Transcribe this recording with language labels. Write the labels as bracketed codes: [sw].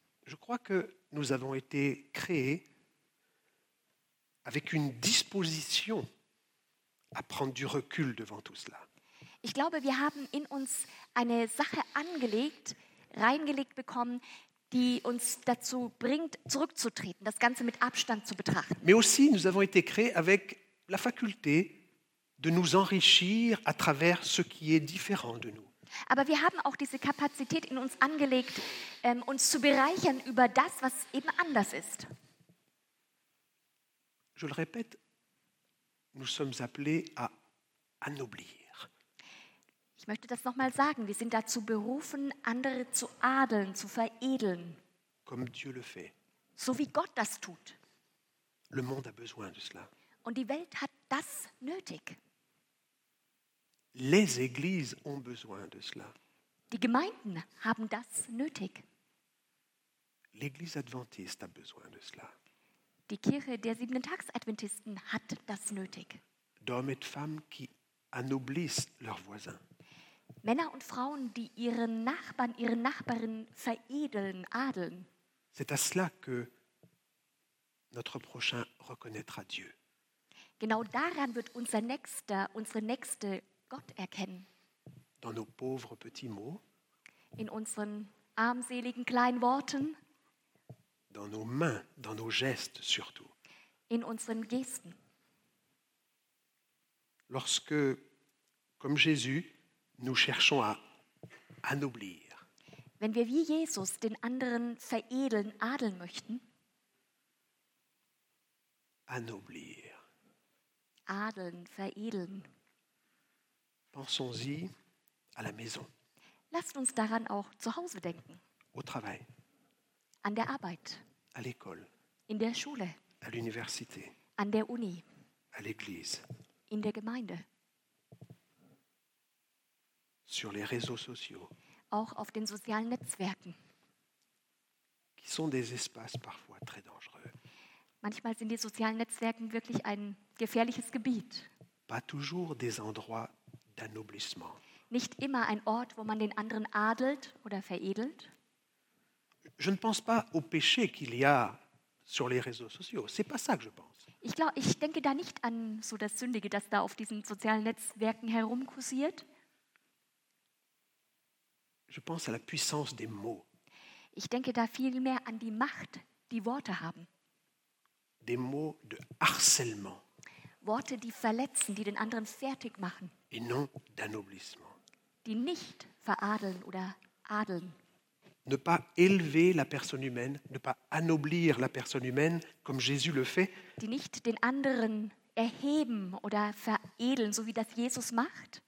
[fr] Je crois que nous avons été créés à avec une disposition à prendre du recul devant tout cela. [de] Ich glaube, wir haben in uns eine Sache angelegt, reingelegt bekommen, die uns dazu bringt, zurückzutreten, das Ganze mit Abstand zu betrachten. [fr] Mais aussi, nous avons été créés avec la faculté de nous enrichir à travers ce qui est différent de nous. [de] Aber wir haben auch diese Kapazität in uns angelegt, uns zu bereichern über das, was eben anders ist. [fr] Je le répète, nous sommes appelés à anoblir. [de] Ich möchte das nochmal sagen, wir sind dazu berufen, andere zu adeln, zu veredeln. [fr] Comme Dieu le fait. [de] So wie Gott das tut. [fr] Le monde a besoin de cela. [de] Und die Welt hat das nötig. [fr] Les églises ont besoin de cela. [de] Die Gemeinden haben das nötig. [fr] L'église adventiste a besoin de cela. [de] Die Kirche der Siebenten-Tags-Adventisten hat das nötig. [fr] D'hommes et femmes qui anoblissent leurs voisins. [de] Männer und Frauen, die ihren Nachbarn, ihre Nachbarin veredeln, adeln. [fr] C'est à cela que notre prochain reconnaîtra Dieu. [de] Genau daran wird unser Nächster, unsere Nächste Gott erkennen. [fr] Dans nos pauvres petits mots. [de] In unseren armseligen kleinen Worten. [fr] Dans nos mains, dans nos gestes surtout. [de] In unseren Gesten. [fr] Lorsque, comme Jésus, nous cherchons à anoblir. [de] Wenn wir wie Jesus den anderen veredeln, adeln möchten. [fr] Anoblir. [de] Adeln, veredeln. [fr] Pensons-y à la maison. [de] Lasst uns daran auch zu Hause denken. [fr] Au travail. [de] An der Arbeit. [fr] À l'école. [de] In der Schule. [fr] À l'université. [de] An der Uni. [fr] À l'église. [de] In der Gemeinde. [fr] Sur les réseaux sociaux. [de] Auch auf den sozialen Netzwerken. [fr] Qui sont des espaces parfois très dangereux. [de] Manchmal sind die sozialen Netzwerken wirklich ein gefährliches Gebiet. [fr] Pas toujours des endroits d'anoblissement. [de] Nicht immer ein Ort, wo man den anderen adelt oder veredelt. [fr] Je ne pense pas au péché qu'il y a sur les réseaux sociaux. C'est pas ça que je pense. [de] Ich denke da nicht an so das Sündige, das da auf diesen sozialen Netzwerken herumkursiert. [fr] Je pense à la puissance des mots. [de] Ich denke da vielmehr an die Macht, die Worte haben. [fr] Des mots de harcèlement. [de] Worte, die verletzen, die den anderen fertig machen. [fr] Et non d'anoblissement. [de] Die nicht veradeln oder adeln. [fr] Ne pas élever la personne humaine, ne pas anoblir la personne humaine comme Jésus le fait. [de] Die nicht den anderen erheben oder veredeln, so wie das Jesus macht.